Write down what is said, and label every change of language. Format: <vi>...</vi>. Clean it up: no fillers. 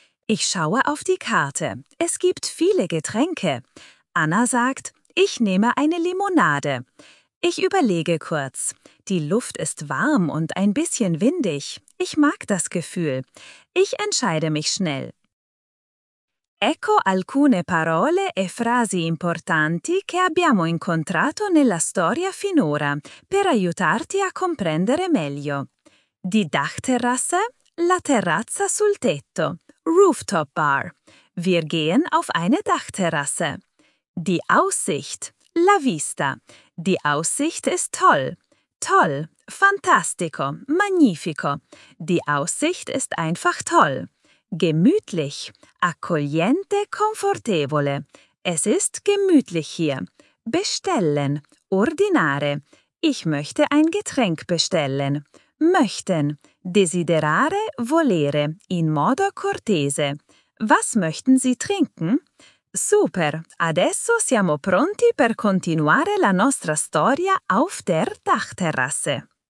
<de>Ich schaue auf die Karte. Es gibt viele Getränke. Anna sagt, ich nehme eine Limonade. Ich überlege kurz. Die Luft ist warm und ein bisschen windig. Ich mag das Gefühl. Ich entscheide mich schnell.</de> <it>Ecco alcune parole e frasi importanti che abbiamo incontrato nella storia finora per aiutarti a comprendere meglio.</it> <de>Die Dachterrasse,</de> <it>la terrazza sul tetto.</it> <en>Rooftop Bar.</en> <de>Wir gehen auf eine Dachterrasse. Die Aussicht.</de> <it>La vista.</it> <de>Die Aussicht ist toll. Toll.</de> <it>Fantastico. Magnifico.</it> <de>Die Aussicht ist einfach toll. Gemütlich.</de> <it>Accogliente, confortevole.</it> <de>Es ist gemütlich hier. Bestellen.</de> <it>Ordinare.</it> <de>Ich möchte ein Getränk bestellen. Möchten.</de> <it>Desiderare, volere, in modo cortese.</it> <de>Was möchten Sie trinken?</de> <it>Super, adesso siamo pronti per continuare la nostra storia</it> <de>auf der Dachterrasse.</de>